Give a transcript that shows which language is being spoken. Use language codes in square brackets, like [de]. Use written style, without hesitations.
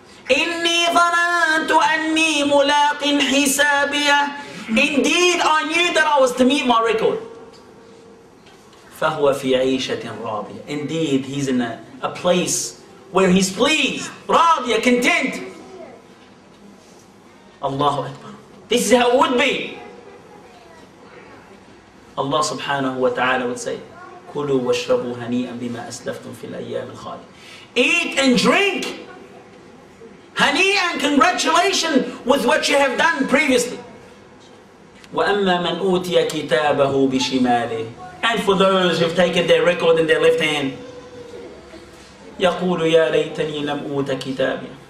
[ar] إني ظننت أني ملاق حسابيه. [en] Indeed, I knew that I was to meet my record. [ar] فهو في عيشة راضية. [en] Indeed, he's in a place where he's pleased, راضية, content. [ar] الله أكبر. [en] This is how it would be. [ar] Allah subhanahu wa ta'ala [en] would say, [ar] كلوا واشربوا هنيئا بما أسلفتم في الأيام الخالية. [en] Eat and drink. هنيئا, congratulations with what you have done previously. [ar] وَأَمَّا مَنْ أُوْتِيَ كِتَابَهُ بِشِمَالِهِ. [en] And for those who've taken their record in their left hand, [ar] يَقُولُ يَا لَيْتَنِي لَمْ أُوْتَ كِتَابِهِ.